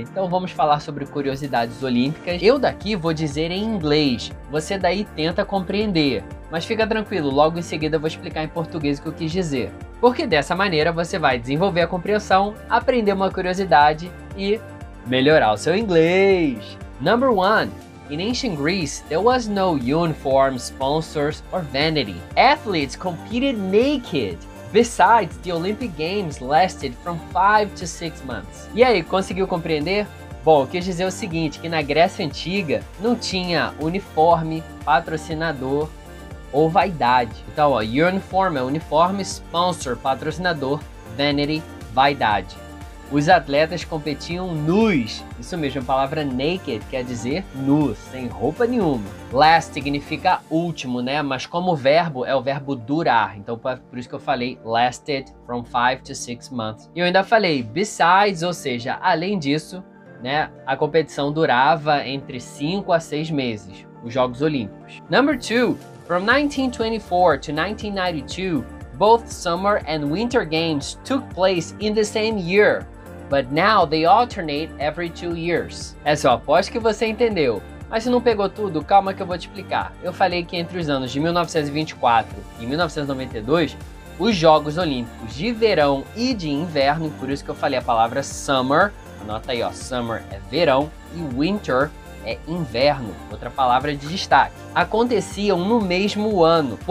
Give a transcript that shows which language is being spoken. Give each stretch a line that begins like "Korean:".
Portuguese: Então vamos falar sobre curiosidades olímpicas. Eu daqui vou dizer em inglês, você daí tenta compreender. Mas fica tranquilo, logo em seguida eu vou explicar em português o que eu quis dizer. Porque dessa maneira você vai desenvolver a compreensão, aprender uma curiosidade e melhorar o seu inglês.
English: Number one. In ancient Greece, there was no uniform, sponsors or vanity. Athletes competed naked. Besides, the Olympic Games lasted from 5 to 6 months.
Portuguese: E aí, conseguiu compreender? Bom, eu quis dizer o seguinte, que na Grécia Antiga não tinha uniforme, patrocinador ou vaidade. Então, ó, uniform é uniforme, sponsor, patrocinador, vanity, vaidade. Os atletas competiam nus. Isso mesmo, a palavra naked quer dizer nu, sem roupa nenhuma. Last significa último, né? Mas como verbo, é o verbo durar. Então, por isso que eu falei
English: lasted from 5 to 6 months.
Portuguese: E eu ainda falei besides, ou seja, além disso, né? A competição durava entre 5 a 6 meses, os Jogos Olímpicos.
English: Number two, from 1924 to 1992, both summer and winter games took place in the same year. But now they alternate every 2 years.
Portuguese: É só, aposto que você entendeu. Mas se não pegou tudo, calma que eu vou te explicar. Eu falei que entre os anos de 1924 e 1992, os Jogos Olímpicos de verão e de inverno, por isso que eu falei a palavra summer, anota aí, ó, summer é verão e winter é inverno, outra palavra de destaque, aconteciam no mesmo ano.